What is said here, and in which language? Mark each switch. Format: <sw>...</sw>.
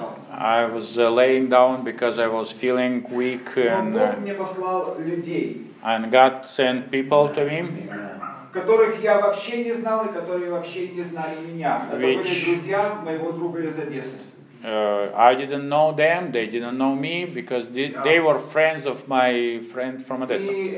<en>I was laying down because I was feeling weak. And God sent people to me.</en> <ru>Которых я вообще не знал и которые вообще не знали меня. Это были друзья моего друга из Одессы.</ru> <en>I didn't know them, they didn't know me, because they were friends of my friend from Odessa.</en>